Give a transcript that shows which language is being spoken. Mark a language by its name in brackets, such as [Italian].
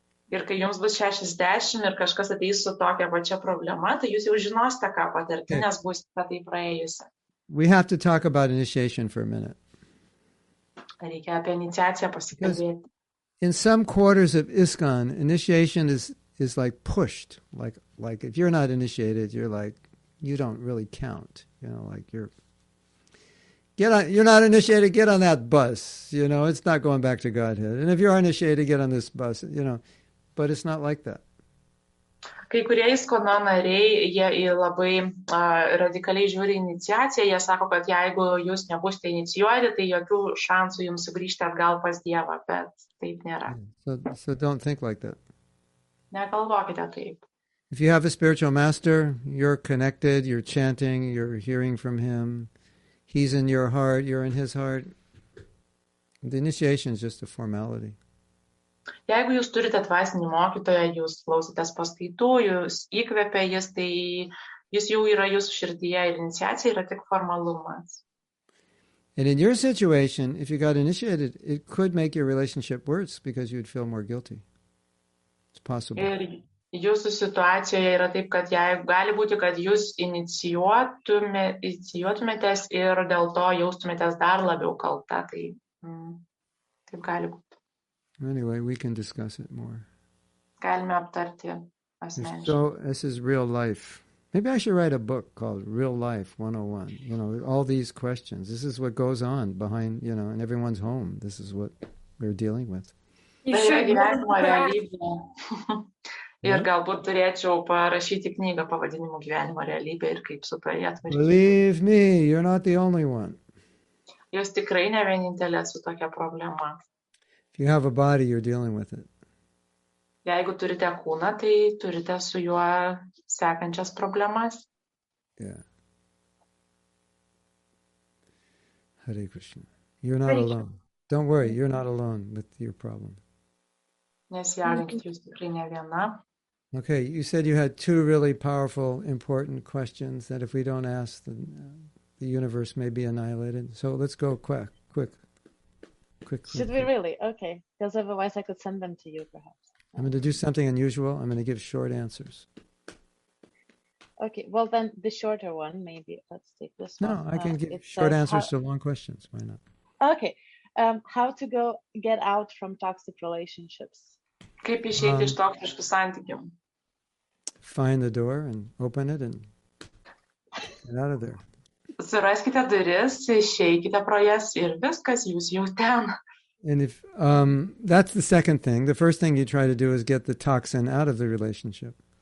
[Lithuanian] Ir kai jums bus 60 ir kažkas ateis su tokia pačia problema, tai jūs jau žinosite, ką patirti, nes būsite tai praėjusi. [English] We have to talk about initiation for a minute. [Lithuanian] Reikia apie iniciaciją pasikalbėti. [English] In some quarters of ISKCON, initiation is like pushed. Like if you're not initiated, you're like, you don't really count. You know, like you're not initiated, get on that bus. You know, it's not going back to Godhead. And if you're initiated, get on this bus. You know, but it's not like that. [Lithuanian] Kai kurie ISKCON nariai, jie labai radikaliai žiūri iniciaciją, jie sako, kad jeigu jūs nebūsite inicijuoti, tai jokių šansų jums sugrįžti atgal pas Dievą, bet taip nėra. [English] So don't think like that. [Lithuanian] Negalvokite taip. [English] If you have a spiritual master, you're connected, you're chanting, you're hearing from him, he's in your heart, you're in his heart, the initiation is just a formality. [Lithuanian] Jeigu jūs turite dvasinį mokytoją, jūs klausotės paskaitų, jūs įkvepia jis, tai jis jau yra jūsų širdyje ir iniciacija yra tik formalumas. [English] And in your situation, if you got initiated, it could make your relationship worse because you'd feel more guilty. It's possible. [Lithuanian] Ir jūsų situacijoje yra taip, kad jeigu gali būti, kad jūs inicijuotumėtės ir dėl to jaustumėtės dar labiau kalta, tai taip gali būti. [English] Anyway, we can discuss it more. [Lithuanian] galime aptarti asmeniškai. [English] So this is real life. Maybe I should write a book called Real Life 101. You know, all these questions. This is what goes on behind, you know, in everyone's home. This is what we're dealing with. You should [Lithuanian] Ir galbūt turėčiau parašyti knygą pavadinimu Gyvenimo realybė ir kaip su tai atvažiuoti. [English] Believe me, you're not the only one. [Lithuanian] Jūs tikrai ne vienintelė su tokia problema. [English] If you have a body, you're dealing with it. [Lithuanian] Jeigu turite kūną, tai turite su juo sekančias problemas. [English] Yeah. Hare Krishna. You're not alone. Don't worry, you're not alone with your problem. [Lithuanian] Nesijaudinkit, jūs tikrai ne viena. [English] Okay, you said you had two really powerful, important questions that if we don't ask, the universe may be annihilated. So let's go quick. Should we really? Okay, because otherwise I could send them to you, perhaps. I'm going to do something unusual. I'm going to give short answers. Okay, well then, the shorter one, maybe. Let's take this one. No, I can give short answers to long questions. Why not? Okay, how to go get out from toxic relationships? [Lithuanian] Kaip išeiti iš toksiškų santykių? [English] Find the door and open it and get out of there. [Lithuanian] Suraskite duris, išeikite pro jas ir viskas, jūs jau ten. [English] And if that's the second thing, the first thing you try to do is get the toxin out of the relationship.